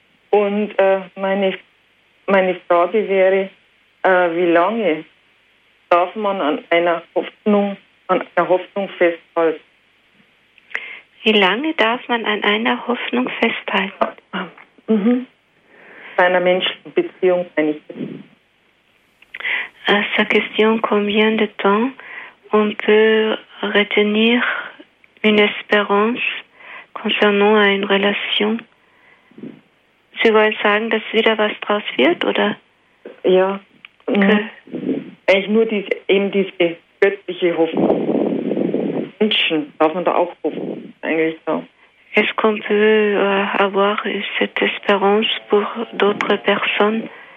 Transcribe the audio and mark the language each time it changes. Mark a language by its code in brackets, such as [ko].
[de] Und meine Frage wäre, wie lange darf man an einer Hoffnung festhalten? Wie lange darf man an einer Hoffnung festhalten? Bei einer menschlichen Beziehung, meine ich. [fr] À sa question, combien de temps on peut retenir une espérance concernant une relation? [de] Sie wollen sagen, dass wieder was draus wird, oder? Ja, eigentlich nur diese göttliche Hoffnung. Menschen, darf man da auch hoffen, eigentlich so. [fr] Est-ce qu'on peut avoir cette espérance pour d'autres personnes?